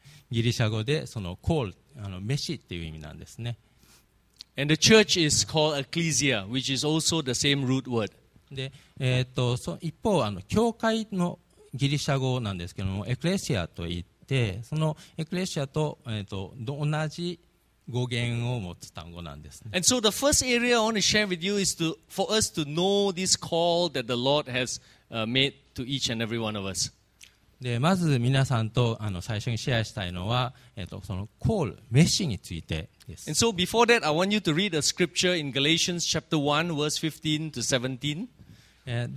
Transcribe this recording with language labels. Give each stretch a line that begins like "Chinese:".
Japanese: ギリシャ語でそのコール、メシっていう意味なんですね。
English: And the church is called ecclesia, which is also the same root word.
Japanese: で、一方教会のギリシャ語なんですけども、エクレシアと言って、そのエクレシア と,、同じ語源を持つ単語なんですね。
English: And so the first area I want to share with you is to for us to know this call that the Lord has. Made to each and every one of us.
Japanese: で、まず皆さんと最初にシェアしたいのは、そのコール、召しについてです。
English: And so before that, I want you to read a scripture in Galatians chapter 1, verse 15 to 17.